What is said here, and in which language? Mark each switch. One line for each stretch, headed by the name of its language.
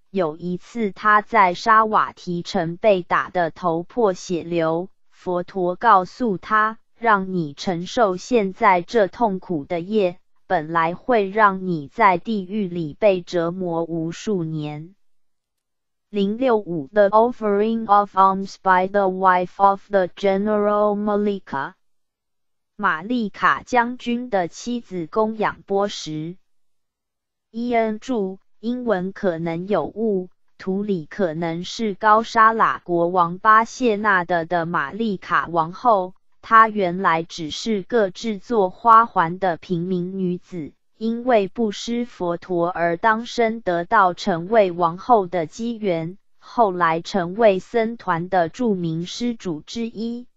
Chinese: 有一次他在沙瓦提城被打得头破血流，佛陀告诉他，让你承受现在这痛苦的业，本来会让你在地狱里被折磨无数年。
English: 065 The offering of alms by the wife of the general Malika.
Chinese: 玛丽卡将军的妻子供养波什。伊恩注：英文可能有误，图里可能是高沙喇国王巴谢纳德的玛丽卡王后，她原来只是个制作花环的平民女子，因为布施佛陀而当身得到成为王后的机缘，后来成为僧团的著名施主之一。